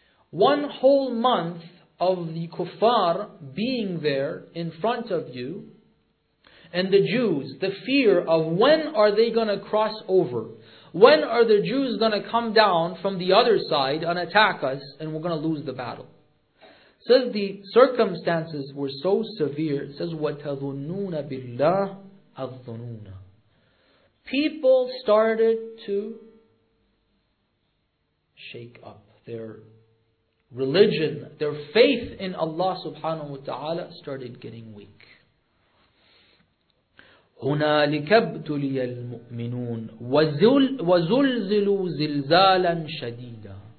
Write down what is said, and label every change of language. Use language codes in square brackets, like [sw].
[en] One whole month of the kuffar being there in front of you, and the Jews, the fear of when are they going to cross over? When are the Jews going to come down from the other side and attack us, and we're going to lose the battle? It says the circumstances were so severe. It says, [ar] وَتَظُنُّونَ بِاللَّهِ الظُّنُونَ. [en] People started to shake up. Their religion, their faith in Allah subhanahu wa ta'ala started getting weak. [ar] هُنَالِكَ ابْتُلِيَ الْمُؤْمِنُونَ وَزُلْزِلُوا زِلْزَالًا شَدِيدًا.